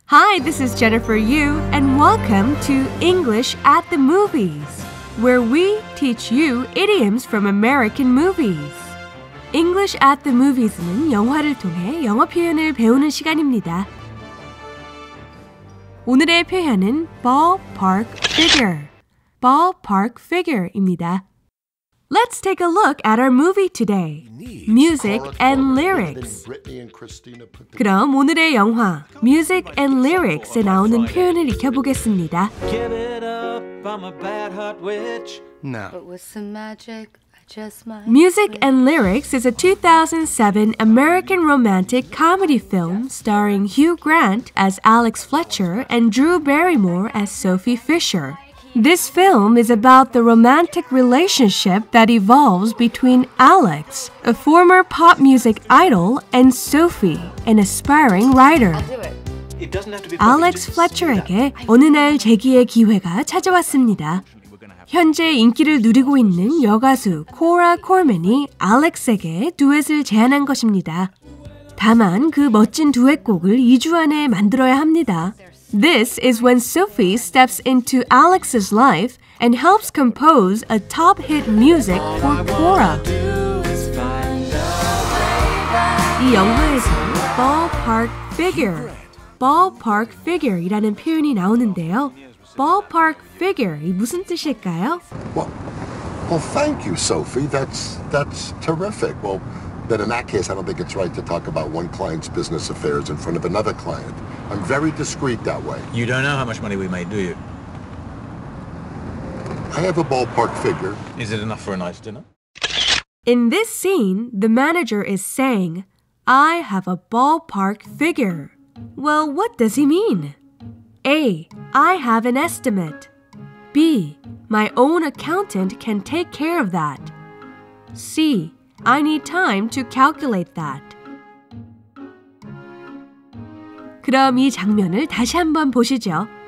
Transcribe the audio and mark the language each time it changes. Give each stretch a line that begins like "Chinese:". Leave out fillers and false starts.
English: Hi, this is Jennifer Yu, and welcome to English at the Movies, where we teach you idioms from American movies.
Korean: English at the Movies는 영화를 통해 영어 표현을 배우는 시간입니다. 오늘의 표현은 ballpark figure, ballpark figure입니다.
English: Let's take a look at our movie today. Music and Lyrics.
Korean: 그럼 오늘의 영화 Music and Lyrics에 나오는 표현을 익혀보겠습니다.
English: Get it up, I'm a bad hot witch. No. But with some magic, I just might. Music and Lyrics is a 2007 American romantic comedy film starring Hugh Grant as Alex Fletcher and Drew Barrymore as Sophie Fisher. This film is about the romantic relationship that evolves between Alex, a former pop music idol, and Sophie, an aspiring writer.
Korean: Alex Fletcher에게 어느 날 재기의 기회가 찾아왔습니다. 현재 인기를 누리고 있는 여가수 코라 콜맨이 알렉스에게 듀엣을 제안한 것입니다. 다만 그 멋진 듀엣곡을 2주 안에 만들어야 합니다.
English: This is when Sophie steps into Alex's life and helps compose a top hit music for Cora.
Korean: 이 영화에서 ballpark figure, ballpark figure이라는 표현이 나오는데요. Ballpark figure이 무슨 뜻일까요?
English: Well, thank you, Sophie. That's terrific. Well, then in that case, I don't think it's right to talk about one client's business affairs in front of another client. I'm very discreet that way. You don't know how much money we made, do you? I have a ballpark figure. Is it enough for a nice dinner? In this scene, the manager is saying, I have a ballpark figure. Well, what does he mean? A. I have an estimate. B. My own accountant can take care of that. C. I need time to calculate that.
Korean: 그럼 이 장면을 다시 한번 보시죠.